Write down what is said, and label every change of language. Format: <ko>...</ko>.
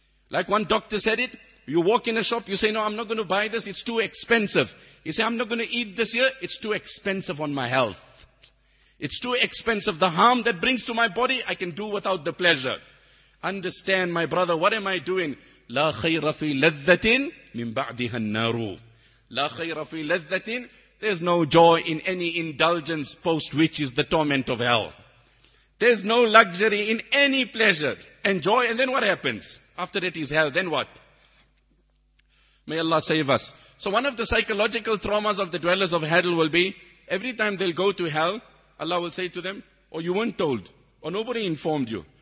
<en>Like one doctor said it, you walk in a shop, you say, no, I'm not going to buy this, it's too expensive. You say, I'm not going to eat this here, it's too expensive on my health. It's too expensive. The harm that brings to my body, I can do without the pleasure. Understand, my brother, what am I doing?</en> <ar>لا خير في لذة من بعدها النار. لا خير في لذة.</ar> <en>There's no joy in any indulgence post which is the torment of hell. There's no luxury in any pleasure and joy. And then what happens? After it is hell, then what? May Allah save us. So one of the psychological traumas of the dwellers of hell will be, every time they'll go to hell, Allah will say to them, or you weren't told, or nobody informed you.</en>